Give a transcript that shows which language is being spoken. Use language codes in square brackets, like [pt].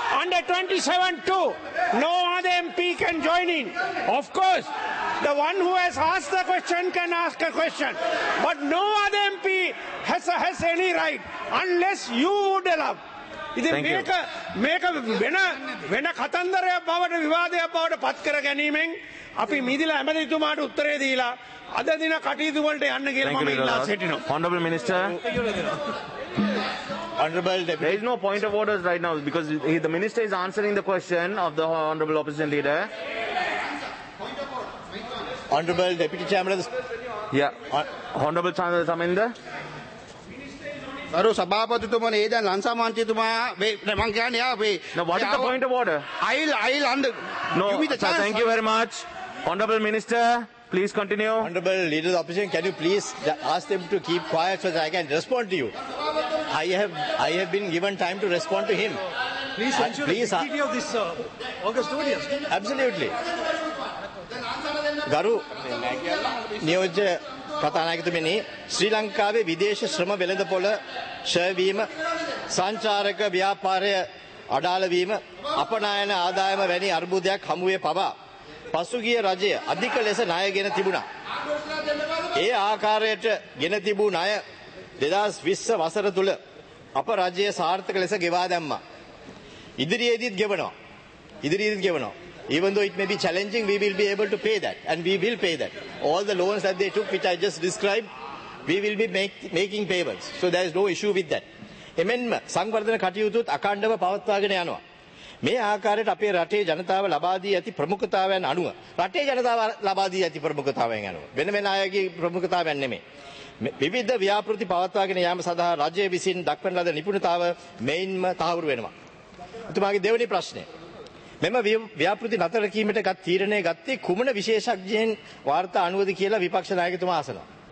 [en] Under 27-2, no other MP can join in. Of course, the one who has asked the question can ask a question. But no other MP has any right unless you would allow. [si] මේක වෙන කතන්දරයක් බවට විවාදයක් බවට පත් කර ගැනීමෙන් අපි මිදිලා ඇමතිතුමාට උත්තරේ දීලා අද දින කටයුතු වලට යන්න කියලා මම ඉල්ලා සිටිනවා. [en] Honorable Minister. Honorable Deputy. There is no point of orders right now because the Minister is answering the question of the Honorable Opposition Leader. Honorable Deputy Chairman of the... Yeah. Honorable Chairman of the Saminder. [si] අර සභාපතිතුමනි ඒ දැන් ලංසා මන්ත්‍රීතුමා මේ මම කියන්නේ යා මේ [en] Now what is the point of order? I'll under No, give me the chance. Thank you very much. Honorable Minister, please continue. Honorable Leader of the Opposition, can you please ask them to keep quiet so that I can respond to you? I have been given time to respond to him. Please ensure please, the dignity of this August audience. Absolutely. [si] Garu, නියෝජ්‍ය ප්‍රධානායකතුමනි ශ්‍රී ලංකාවේ විදේශ ශ්‍රම වෙළඳපොළ ෂය වීම සංචාරක ව්‍යාපාරය අඩාල වීම අපනයන ආදායම වැනි අර්බුදයක් හමුවේ පවා පසුගිය රජය අධික ලෙස ණයගෙන තිබුණා. ඒ ආකාරයට ගෙන තිබූ ණය 2020 වසර තුළ අප රජය සාර්ථක ලෙස ගෙවා දැම්මා. ඉදිරියේදීත් ගෙවනවා. [en] Even though it may be challenging, we will be able to pay that. And we will pay that. All the loans that they took, which I just described, we will be making payments. So there is no issue with that. [si] Amendment, Sangwardana Katiyutut, Akandava Pavatwagana Yanawa. මේ ආකාරයට අපේ රටේ ජනතාව ලබා දී ඇති ප්‍රමුඛතාවයන් අනුව රටේ ජනතාව ලබා දී ඇති ප්‍රමුඛතාවයන් අනුව වෙන වෙන අයගේ ප්‍රමුඛතාවයන් නෙමෙයි විවිධ ව්‍යාපෘති පවත්වාගෙන යාම සඳහා රජය විසින් දක්වන ලද නිපුණතාව මෙයින්ම තහවුරු වෙනවා එතුමාගේ දෙවැනි ප්‍රශ්නය මෙම ව්‍යාපෘති නතර කිරීමට ගත් තීරණය ගත්තේ කුමන විශේෂඥයන් වාර්තා අනුවද කියලා විපක්ෂ නායකතුමා අසනවා